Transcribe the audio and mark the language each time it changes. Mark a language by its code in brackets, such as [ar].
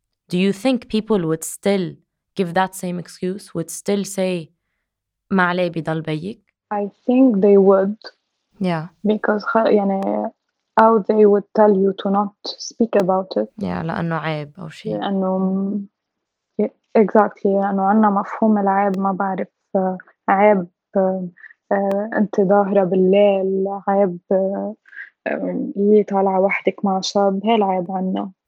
[en] Do you think people would still give that same excuse? Would still say [ar] ما علي بيضل بيك؟ [en] I think they would. Yeah. Because [ar] يعني [en] how they would tell you to not speak about it. [ar] Yeah, لأنه عيب أو شيء. لأنه exactly لأنه عنا مفهوم العيب ما بعرف عيب أنت ظاهرة بالليل عيب هي طالعة وحدك مع شاب هي العيب عنا.